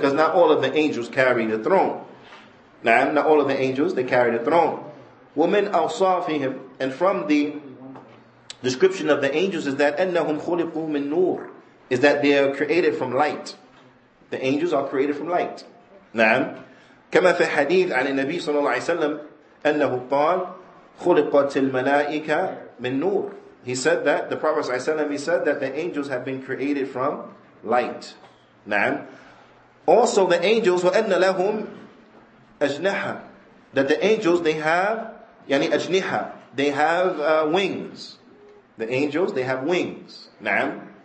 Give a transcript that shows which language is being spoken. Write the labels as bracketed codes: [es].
[en] Because not all of the angels carry the throne. Now, not all of the angels, they carry the throne. [ar] وَمِنْ أَوْصَافِهِمْ. [en] And from the description of the angels is that [ar] أَنَّهُمْ خُلِقُوا مِنْ نُورِ, [en] is that they are created from light. The angels are created from light. [ar] نعم. كما في حديث عن النبي صلى الله عليه وسلم أنه قال خلقت الملائكة من نور. [en] He said that, the Prophet صلى الله عليه وسلم, he said that the angels have been created from light. [ar] نعم. [en] Also the angels, [ar] وأن لهم أجنحة, [en] that the angels, they have [ar] يعني أجنحة, [en] they have wings. The angels, they have wings. [ar] نعم.